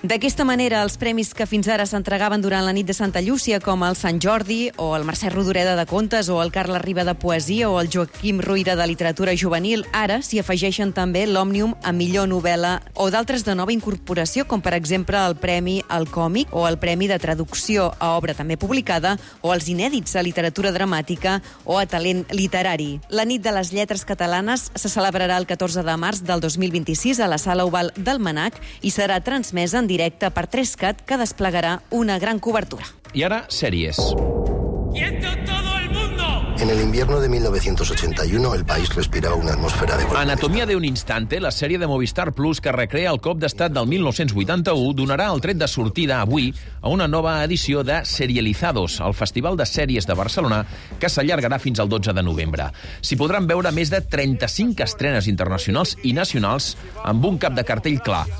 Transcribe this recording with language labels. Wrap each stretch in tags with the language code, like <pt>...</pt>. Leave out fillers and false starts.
<ca>D'aquesta manera, els premis que fins ara s'entregaven durant la nit de Santa Llúcia, com el Sant Jordi o el Mercè Rodoreda de contes o el Carles Riba de poesia o el Joaquim Ruïra de literatura juvenil, ara s'hi afegeixen també l'Òmnium a millor novel·la o d'altres de nova incorporació, com per exemple el Premi al Còmic o el Premi de Traducció a Obra també publicada o els inèdits a literatura dramàtica o a talent literari. La Nit de les Lletres Catalanes se celebrarà el 14 de març del 2026 a la Sala Oval del Manac i serà transmesa en directe per 3CAT, que desplegarà una gran cobertura. I ara, sèries.</ca> <es>En el invierno de 1981, el país respiraba una atmósfera de...</es> <ca>Anatomía de un instante, la sèrie de Movistar Plus que recrea el cop d'estat del 1981, donarà el tret de sortida avui a una nova edició de Serializados, el Festival de Sèries de Barcelona, que s'allargarà fins al 12 de novembre. S'hi podran veure més de 35 estrenes internacionals i nacionals amb un cap de cartell clar.</ca>